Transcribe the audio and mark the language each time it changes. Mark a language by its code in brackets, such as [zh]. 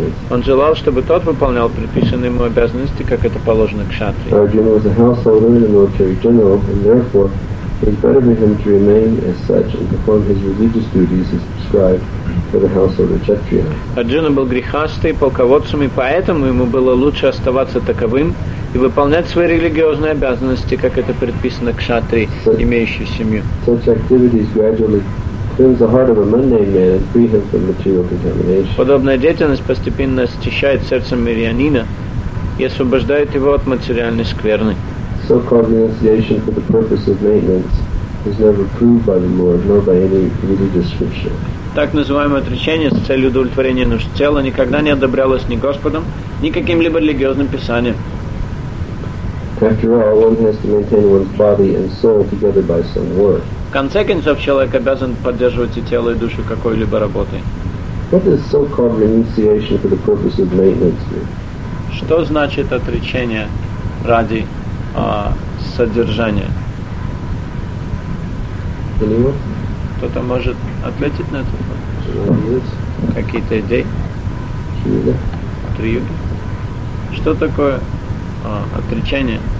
[ru] Он желал, чтобы тот выполнял предписанные ему обязанности, как это положено кшатри. Арджуна был householдером и [en] military general, and therefore it's better for him to remain as such and perform his religious duties as prescribed for the household of Kshatriya. [ru] Арджуна был грихастой полководцем, и поэтому ему было лучше оставаться таковым и выполнять свои религиозные обязанности, как это предписано кшатри, имеющей семью. [en] Such activities gradually cleanse the heart of a mundane man and free him from material contamination. [ru] Подобная деятельность постепенно очищает сердце мирянина и освобождает его от материальной скверны. [en] So-called renunciation for the purpose of maintenance is never proved by the Lord, nor by any religious scripture. [ru] Так называемое отречение с целью удовлетворения нужд тела никогда не одобрялось ни Господом, ни каким-либо религиозным писанием. [en] After all, one has to maintain one's body and soul together by some work. [ru] В конце концов, человек обязан поддерживать и тело, и душу какой-либо работой. [en] What does so-called renunciation for the purpose of maintenance mean? [ru] Что значит отречение ради содержание. [en] Anyone? [ru] Кто-то может ответить на этот вопрос? Какие-то идеи? Три юга. Что такое отречение?